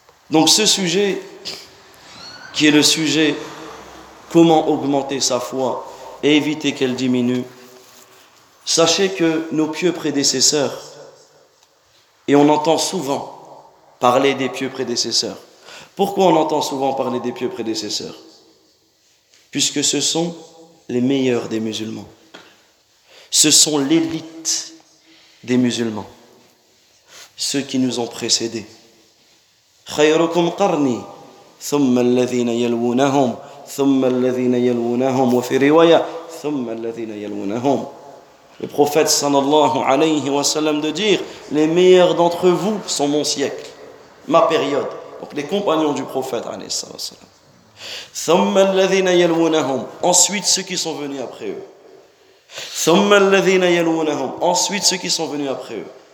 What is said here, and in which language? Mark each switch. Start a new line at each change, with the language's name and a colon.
French: Donc ce sujet, qui est le sujet comment augmenter sa foi et éviter qu'elle diminue, sachez que nos pieux prédécesseurs, et on entend souvent parler des pieux prédécesseurs. Pourquoi on entend souvent parler des pieux prédécesseurs? Puisque ce sont les meilleurs des musulmans. Ce sont l'élite des musulmans. Ceux qui nous ont précédés.
Arabic: خيركم قرني ثم الذين يلونهم ثم الذين يلونهم وفي رواية ثم الذين يلونهم.
French: Le prophète sallallahu alayhi wa sallam de dire les meilleurs d'entre vous sont mon siècle, ma période. Donc les compagnons du prophète alayhi wa sallam.
Arabic: ثم الذين يلونهم,
French: ensuite ceux qui sont venus après eux.
Arabic: ثم الذين يلونهم,
French: ensuite ceux qui sont venus après eux.